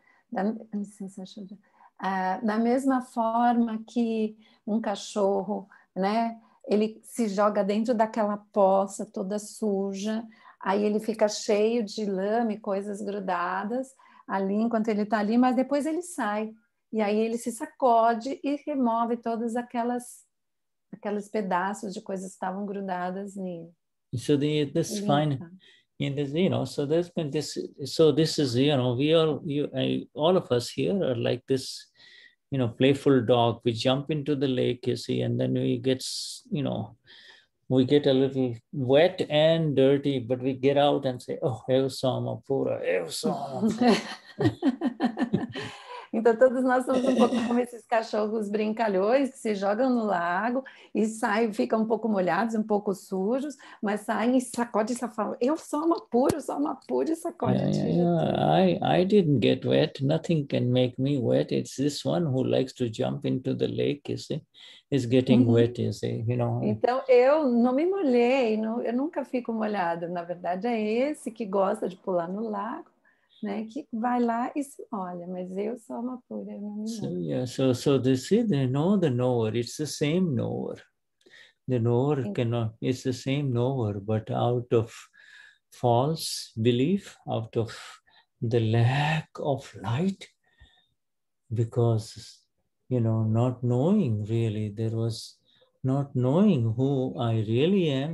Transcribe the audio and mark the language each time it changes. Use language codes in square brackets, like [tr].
[pt] Da mesma forma que cachorro, né, ele se joga dentro daquela poça toda suja, aí ele fica cheio de lama e coisas grudadas ali enquanto ele está ali, mas depois ele sai. E aí ele se sacode e remove todas aquelas pedaços de coisas que estavam grudadas nele. [en] So this fine, in this, you know, so there's been this, so this is, you know, we all, you, all of us here are like this, you know, playful dog. We jump into the lake, you see, and then we gets, you know, we get a little wet and dirty, but we get out and say, oh, [pt] eu sou uma pura, [en] eu sou uma pura. [pt] Então, todos nós somos um pouco como esses cachorros brincalhões que se jogam no lago e saem, ficam um pouco molhados, um pouco sujos, mas saem e sacode e falam, eu sou uma pura e sacode. [en] I didn't get wet. Nothing can make me wet. It's this one who likes to jump into the lake, you see. Is getting wet, you see, you know. [pt] Então, eu não me molhei, não, eu nunca fico molhada. Na verdade, é esse que gosta de pular no lago, né, que vai lá e se molha, mas eu sou uma pura, eu não me molho. [en] So they see, they know the knower, it's the same knower. The knower cannot, it's the same knower, but out of false belief, out of the lack of light, because, you know, not knowing really, there was not knowing who I really am.